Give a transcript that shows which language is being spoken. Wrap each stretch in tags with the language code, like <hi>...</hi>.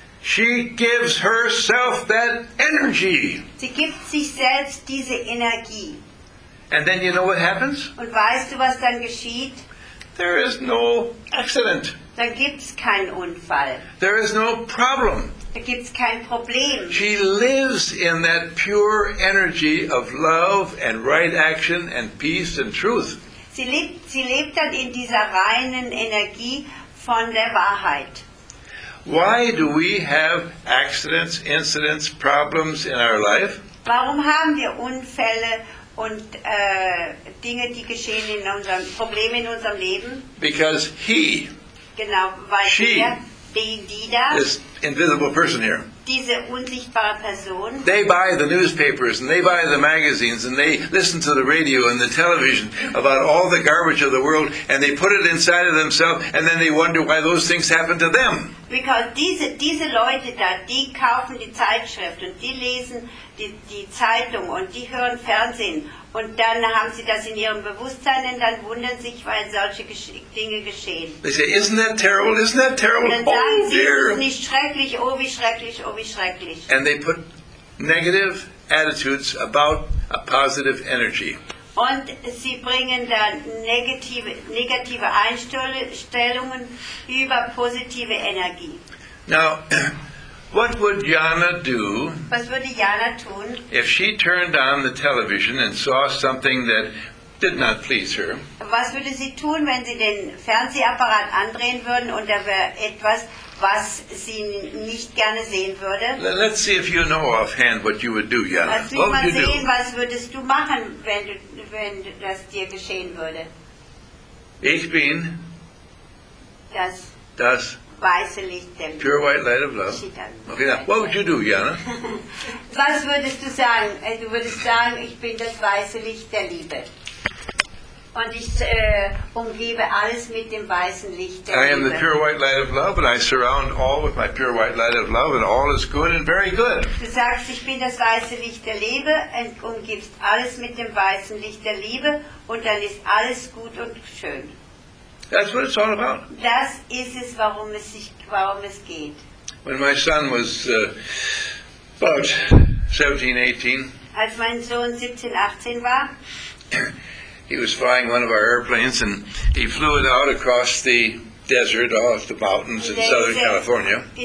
<en>She gives herself that energy.</en> <de>Sie gibt sich selbst diese Energie.</de> <en>And then you know what happens?</en> <de>Und weißt du, was dann geschieht?</de> <en>There is no accident.</en> <de>Da gibt's keinen Unfall.</de> <en>There is no problem.</en> <de>Da gibt's kein Problem.</de> <en>She lives in that pure energy of love and right action and peace and truth.</en> <de>Sie lebt dann in dieser reinen Energie von der Wahrheit.</de> <en>Why do we have accidents, incidents, problems in our life?</en> <de>Warum haben wir Unfälle und Dinge, die geschehen in unserem Probleme in unserem Leben?</de> <en>Because he.</en> <de>Genau, weil</de> <en>she,</en> <de>er, die da.</de> <en>This invisible person here.</en> <de>Diese unsichtbare Person.</de> <en>They buy the newspapers and they buy the magazines and they listen to the radio and the television about all the garbage of the world and they put it inside of themselves and then they wonder why those things happen to them. Because</en> <de>diese Leute da, die kaufen die Zeitschrift und die lesen die Zeitung und die hören Fernsehen und dann haben sie das in ihrem Bewusstsein und dann wundern sich, weil solche Dinge geschehen.</de> <en>They say, isn't that terrible? Isn't that terrible?</en> <de>Und dann sagen oh, sie,</de> <en>dear.</en> <de>Ist nicht schrecklich? Oh, wie schrecklich! Oh, wie schrecklich!</de> <en>And they put negative attitudes about a positive energy.</en> <de>Und sie bringen dann negative Einstellungen über positive Energie.</de> <en>Now, what would Jana do?</en> <de>Was würde Jana tun?</de> <en>If she turned on the television and saw something that did not please her?</en> <de>Was würde sie tun, wenn sie den Fernsehapparat andrehen würden und da wäre etwas, was sie nicht gerne sehen würde?</de> <en>Let's see if you know offhand what you would do, Jana.</en> <de>Lass mich mal sehen, was würdest du machen, wenn das dir geschehen würde? Ich bin das weiße Licht der</de> <en>pure white light of love. Okay, now, what would you do, Jana?</en> <de>Was würdest du sagen? Du würdest sagen, ich bin das weiße Licht der Liebe. Und ich umgebe alles mit dem weißen Licht der Liebe.</de> <en>I am the pure white light of love and I surround all with my pure white light of love and all is good and very good.</en> <de>Du sagst, ich bin das weiße Licht der Liebe und umgibst alles mit dem weißen Licht der Liebe und dann ist alles gut und schön.</de> <en>That's what it's all about.</en> <de>Das ist es, worum es geht.</de> <en>When my son was about 17, 18,</en> <de>als mein Sohn 17, 18 war,</de> <en>he was flying one of our airplanes and he flew it out across the desert, off the mountains in Southern California.</en>